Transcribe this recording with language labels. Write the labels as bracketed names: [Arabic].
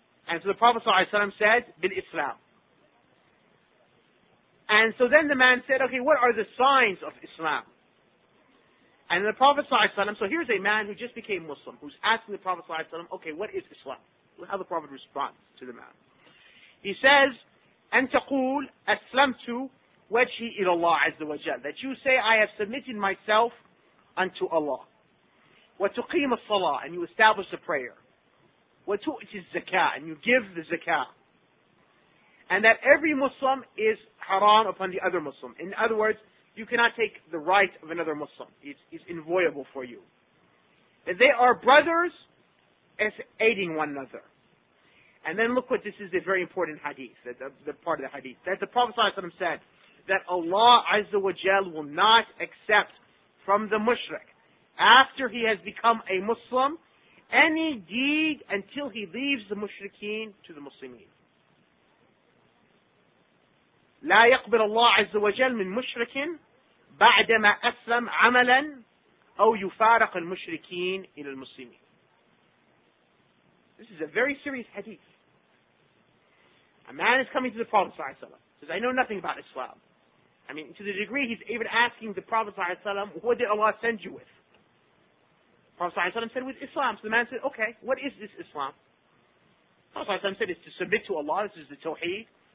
[English] And so the Prophet ﷺ said, Bil Islam. And so then the man said, okay, what are the signs of Islam? And the Prophet ﷺ, so here's a man who just became Muslim, who's asking the Prophet ﷺ, okay, what is Islam? Look how the Prophet responds to the man. He says, [Arabic] أن تقول أسلمت وجهي إلى الله عز وجل. [English] That you say, I have submitted myself unto Allah. [Arabic] وتقيم الصلاة, [English] and you establish the prayer. [Arabic] وتؤتي الزكاة, [English] and you give the zakā. And that every Muslim is haram upon the other Muslim. In other words, you cannot take the right of another Muslim. It's inviolable for you. If they are brothers, as aiding one another. And then look what this is, a very important hadith, the part of the hadith. That the Prophet ﷺ said that Allah Azza wa Jal will not accept from the mushrik, after he has become a Muslim, any deed until he leaves the mushrikeen to the Muslimin. [Arabic] لا يقبل الله عز وجل من مشرك بعدما أسلم عملا أو يفارق المشركين إلى المسلمين. [English] This is a very serious hadith. A man is coming to the Prophet صلى الله عليه وسلم. Says, I know nothing about Islam. I mean, to the degree he's even asking the Prophet صلى الله عليه وسلم, what did Allah send you with? The Prophet صلى الله عليه وسلم said, with Islam. So the man said, okay, what is this Islam? The Prophet صلى الله عليه وسلم said, it's to submit to Allah, this is the Tawheed.